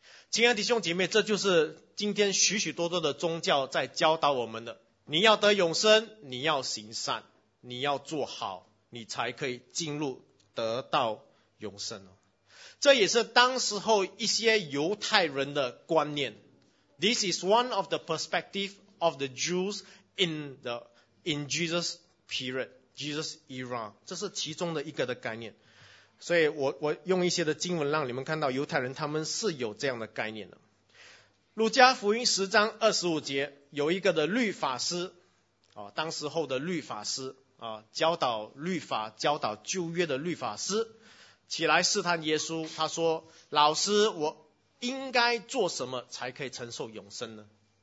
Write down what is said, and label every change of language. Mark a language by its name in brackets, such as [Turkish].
[Chinese] 亲爱的弟兄姐妹，这就是今天许许多多的宗教在教导我们的，你要得永生，你要行善，你要做好，你才可以进入得到永生。这也是当时候一些犹太人的观念。 [English] This is one of the perspective of the Jews in Jesus period, Jesus era. [Chinese] 这是其中的一个的概念。所以我用一些的经文让你们看到犹太人他们是有这样的概念的。路加福音10:25有一个的律法师，当时候的律法师，教导律法，教导旧约的律法师起来试探耶稣，他说：“老师，我应该做什么才可以承受永生呢？”